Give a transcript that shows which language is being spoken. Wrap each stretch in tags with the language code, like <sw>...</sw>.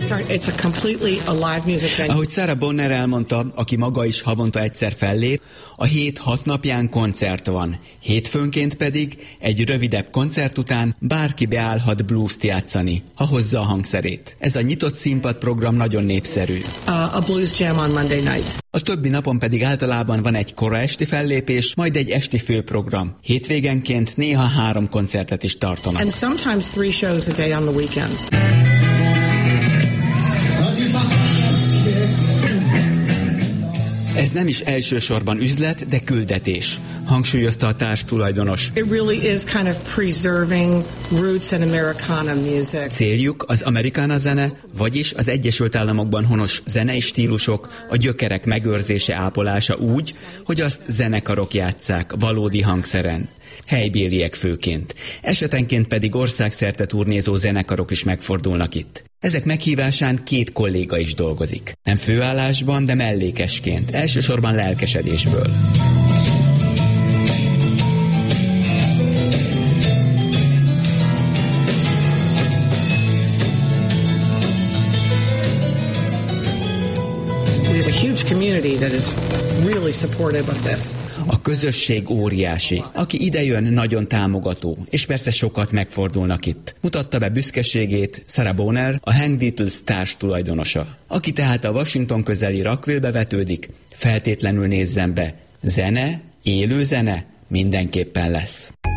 <en>It's a completely alive music venue.</en> <hu>Ahogy Sarah Bonner elmondta, aki maga is havonta egyszer fellép, a hét hat napján koncert van. Hétfőnként pedig egy rövidebb koncert után bárki beállhat blues-t játszani, ha hozza a hangszerét. Ez a nyitott színpad program nagyon népszerű.</hu> <en>A blues jam on Monday nights.</en> <hu>A többi napon pedig általában van egy kora esti fellépés, majd egy esti főprogram. Hétvégenként néha három koncertet is tartanak.</hu> <en>And sometimes three shows a day on the weekends.</en> <hu>Ez nem is elsősorban üzlet, de küldetés, hangsúlyozta a társtulajdonos.</hu> <en>It really is kind of preserving roots and Americana music.</en> <hu>Céljuk az Americana zene, vagyis az Egyesült Államokban honos zenei stílusok, a gyökerek megőrzése, ápolása úgy, hogy azt zenekarok játsszák valódi hangszeren. Helybéliek főként. Esetenként pedig országszerte turnézó zenekarok is megfordulnak itt. Ezek meghívásán két kolléga is dolgozik. Nem főállásban, de mellékesként, elsősorban lelkesedésből.</hu> <en>We have a huge community that is really supportive of this.</en> <hu>A közösség óriási, aki idejön, nagyon támogató, és persze sokat megfordulnak itt. Mutatta be büszkeségét Sarah Bonner, a Hank Deedle társ tulajdonosa. Aki tehát a Washington közeli Rockville-be vetődik, feltétlenül nézzen be. Zene, élő zene mindenképpen lesz.</hu>